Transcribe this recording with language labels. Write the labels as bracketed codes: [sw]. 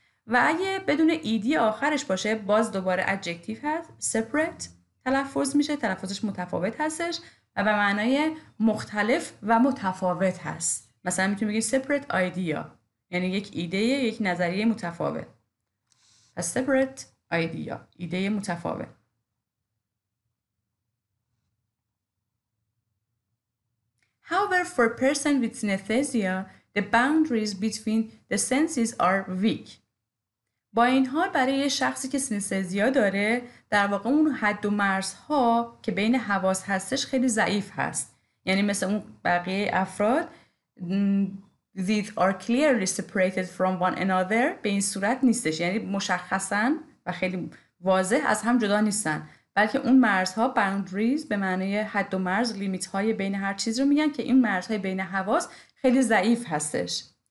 [fa] و اگه بدون ایدی آخرش باشه باز دوباره adjective هست، separate تلفظ میشه، تلفظش متفاوت هستش و به معنای مختلف و متفاوت هست. مثلا میتونی بگی separate idea، یعنی یک ایده، یک نظریه متفاوت. [en] A separate idea، [fa] ایده متفاوت. [en] However, for person with synesthesia, the boundaries between the senses are weak. [fa] با این حال برای شخصی که سینستزیا داره در واقع اون حد و مرزها که بین حواس هستش خیلی ضعیف هست، یعنی مثل اون بقیه افراد [en] these are clearly separated from one another [fa] به این صورت نیستش، یعنی مشخصن و خیلی واضح از هم جدا نیستن، بلکه اون مرزها boundaries به معنی حد و مرز limit های بین هر چیز رو میگن که این مرزهای بین حواس خیلی ضعیف هستش.